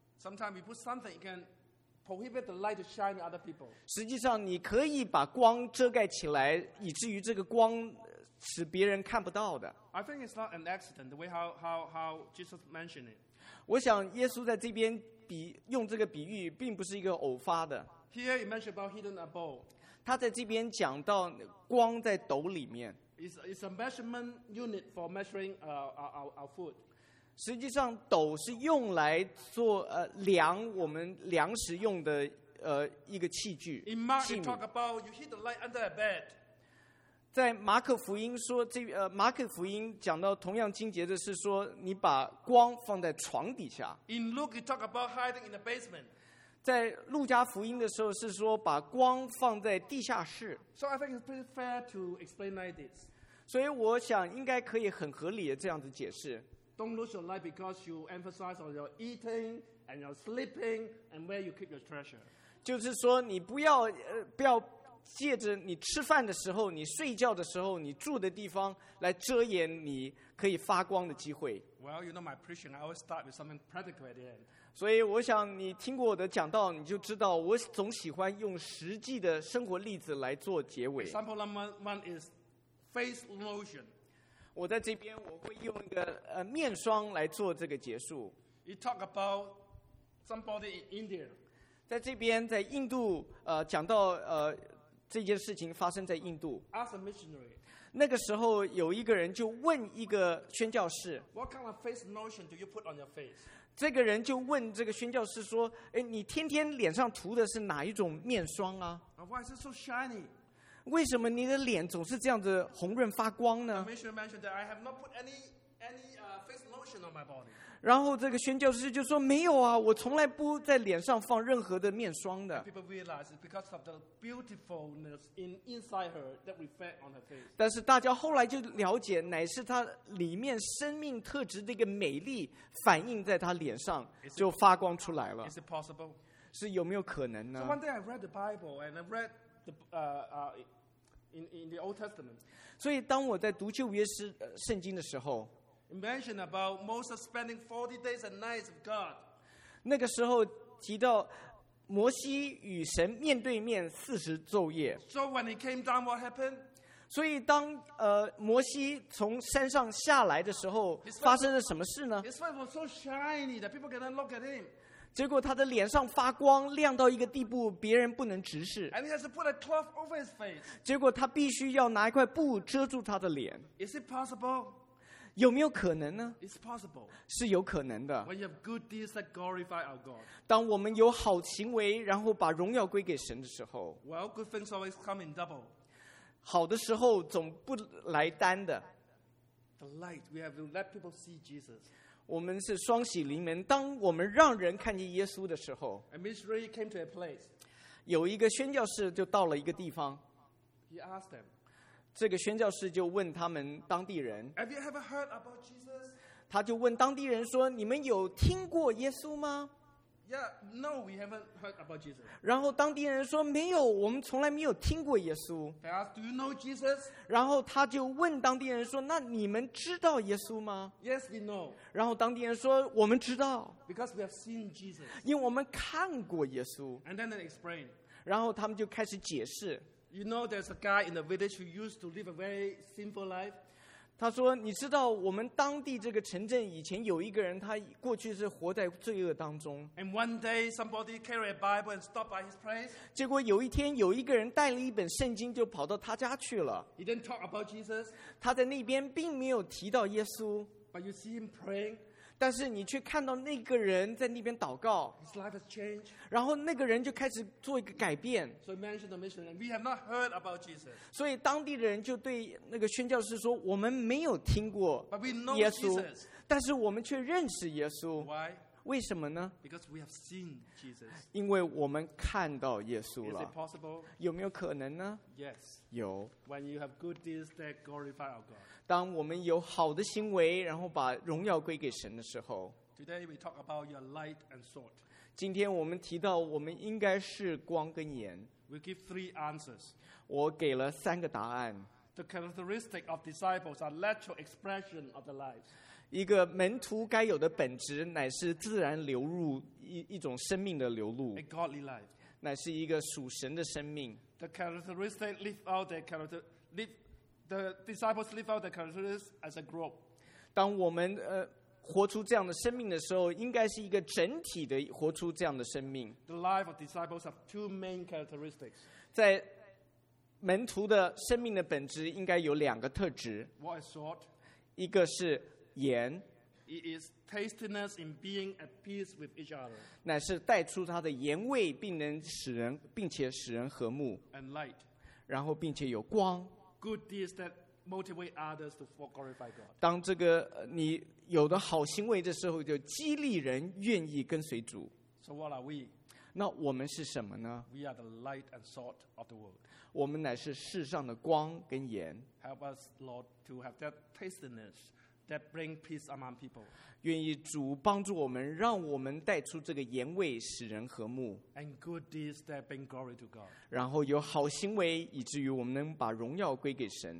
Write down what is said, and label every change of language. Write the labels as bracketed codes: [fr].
[en] Sometimes you put something you can prohibit the light to shine to other people. [zh] 实际上你可以把光遮盖起来以至于这个光使别人看不到的 [en] I think it's not an accident the way how Jesus mentioned it. [zh] 我想耶稣在这边用这个比喻并不是一个偶发的 [en] Here he mentioned about hidden abode. [zh] 他在这边讲到光在斗里面 [en] It's a measurement unit for measuring our food. [zh] 实际上斗是用来做量我们粮食用的一个器具 [en] In Mark it talk about you hit the light under a bed. [zh] 在马可福音说马可福音讲到同样经节的是说你把光放在床底下 [en] In Luke it talk about hiding in the basement. [zh] 在路加福音的时候是说把光放在地下室 [en] So I think it's pretty fair to explain like this [zh] 所以我想应该可以很合理的这样子解释 [en] Don't lose your life because you emphasize on your eating and your sleeping and where you keep your treasure [zh] 就是说你不要借着你吃饭的时候你睡觉的时候你住的地方来遮掩你可以发光的机会 [en] Well you know my preaching I always start with something practical at the end [zh] 所以我想你听过我的讲道你就知道我总喜欢用实际的生活例子来做结尾 [en] Example number one is face lotion [zh] 我在这边我会用一个面霜来做这个结束 [en] You talk about somebody in India [zh] 在这边在印度讲到这件事情发生在印度 [en] Ask a missionary [zh] 那个时候有一个人就问一个宣教士 [en] What kind of face lotion do you put on your face? [zh] 这个人就问这个宣教士说诶你天天脸上涂的是哪一种面霜啊 [en] Why is it so shiny? [zh] 为什么你的脸总是这样子红润发光呢 [en] The missionary mentioned that I have not put any face lotion on my body. [zh] 然后这个宣教士就说没有啊我从来不在脸上放任何的面霜的。 [en] And people realize it's because of the beautifulness inside her that reflect on her face. [zh] 但是大家后来就了解乃是她里面生命特质的一个美丽反映在她脸上就发光出来了。 [en] Is it possible? [zh] 是有没有可能呢 [en] So one day I read the Bible and I read the, in the Old Testament. [zh] 所以当我在读旧约圣经的时候 [en] Mention about Moses spending 40 days and nights with God. [zh] 那个时候提到摩西与神面对面40昼夜。 [en] So when he came down, what happened? [zh] 所以当摩西从山上下来的时候，发生了什么事呢 [en] ？His face was so shiny that people cannot look at him. [zh] 结果他的脸上发光，亮到一个地步，别人不能直视。 [en] And he has to put a cloth over his face. [zh] 结果他必须要拿一块布遮住他的脸。 [en] Is it possible? [zh] 有没有可能呢？ [en] It's possible. [zh] 是有可能的。 [en] When you have good deeds that glorify our God. [zh] 当我们有好行为，然后把荣耀归给神的时候， [en] Well, good things always come in double. [zh] 好的时候总不来单的。 [en] The light, we have to let people see Jesus. [zh] 我们是双喜临门，当我们让人看见耶稣的时候， [en] A missionary came to a place. [zh] 有一个宣教士就到了一个地方。 [en] He asked them. [zh] 这个宣教士就问他们当地人， [en] Have you ever heard about Jesus? [zh] 他就问当地人说，你们有听过耶稣吗？ [en] Yeah, no, we haven't heard about Jesus. [zh] 然后当地人说，没有，我们从来没有听过耶稣。 [en] They asked, Do you know Jesus? [zh] 然后他就问当地人说，那你们知道耶稣吗？ [en] Yes, we know. [zh] 然后当地人说，我们知道。 [en] Because we have seen Jesus. [zh] 因为我们看过耶稣。 [en] And then they explain. [zh] 然后他们就开始解释。 [en] You know there's a guy in the village who used to live a very sinful life? [zh] 他说你知道我们当地这个城镇以前有一个人，他过去是活在罪恶当中。 [en] And one day somebody carried a Bible and stopped by his place. [zh] 结果有一天有一个人带了一本圣经就跑到他家去了。 [en] He didn't talk about Jesus. [zh] 他在那边并没有提到耶稣。 [en] But you see him praying. [zh] 但是你却看到那个人在那边祷告。 [en] His life has changed. [zh] 然后那个人就开始做一个改变。 [en] So mentioned the missionary. We have not heard about Jesus. [zh] 所以当地的人就对那个宣教士说，我们没有听过耶稣。 [en] But we know Jesus. [zh] 但是我们却认识耶稣。 [en] Why? [zh] 为什么呢？ [en] Because we have seen Jesus. [zh] 因为我们看到耶稣了。 [en] Is it possible? [zh] 有没有可能呢？ [en] Yes. [zh] 有。 [en] When you have good deeds that glorify our God. [zh] 当我们有好的行为，然后把荣耀归给神的时候。 [en] Today we talk about your light and salt. [zh] 今天我们提到我们应该是光跟盐。 [en] We give three answers. [zh] 我给了三个答案。 [en] The characteristic of disciples are natural expression of the light. [zh] 一个门徒该有的本质乃是自然流入 一种生命的流露。 [en] A godly life. [zh] 乃是一个属神的生命。 [en] The characteristic live out their character, the disciples live out their characteristics as a group. [zh] 当我们活出这样的生命的时候，应该是一个整体的活出这样的生命。 [en] The life of disciples have two main characteristics. [zh] 在门徒的生命的本质应该有两个特质。 [en] What is salt? [zh] 一个是盐。 [en] It is tastiness in being at peace with each other. [zh] 乃是带出它的盐味，并能使人，并且使人和睦。 [en] And light. [zh] 然后并且有光。 [en] Good deeds that motivate others to glorify God. [zh] 当这个你有的好行为的时候，就激励人愿意跟随主。 [en] So what are we? [zh] 那我们是什么呢？ [en] We are the light and salt of the world. [zh] 我们乃是世上的光跟盐。 [en] Help us, Lord, to have that tastiness that bring peace among people. [zh] 愿意主帮助我们，让我们带出这个盐味，使人和睦。 [en] And good deeds that bring glory to God. [zh] 然后有好行为，以至于我们能把荣耀归给神。